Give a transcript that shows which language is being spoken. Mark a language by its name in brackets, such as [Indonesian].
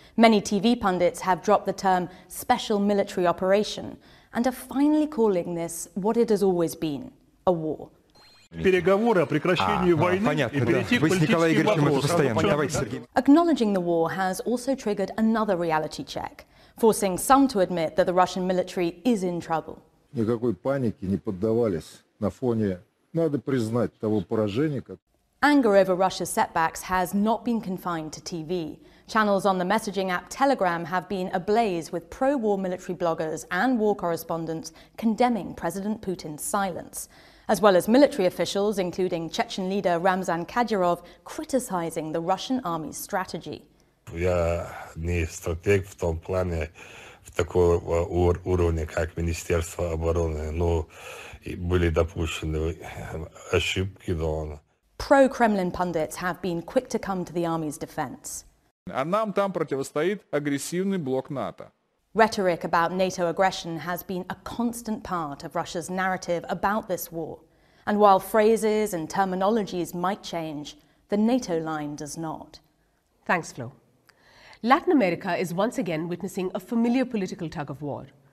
[English] Many TV pundits have dropped the term special military operation and are finally calling this what it has always been, a war. Acknowledging the war has also triggered another reality check, forcing some to admit that the Russian military is in trouble. [Russian] Никакой паники не поддавались. [English] Anger over Russia's setbacks has not been confined to TV. Channels on the messaging app Telegram have been ablaze with pro-war military bloggers and war correspondents condemning President Putin's silence, as well as military officials, including Chechen leader Ramzan Kadyrov, criticizing the Russian army's strategy. [Russian] Я не стратег в том плане, в такого уровня, как Министерство обороны, но были допущены ошибки, да. [English] Pro-Kremlin pundits have been quick to come to the army's defense. [Russian] А нам там противостоит агрессивный блок НАТО. [English] Rhetoric about NATO aggression has been a constant part of Russia's narrative about this war. And while phrases and terminologies might change, the NATO line does not. Thanks, Flo. Latin America is once again witnessing a familiar political tug of war.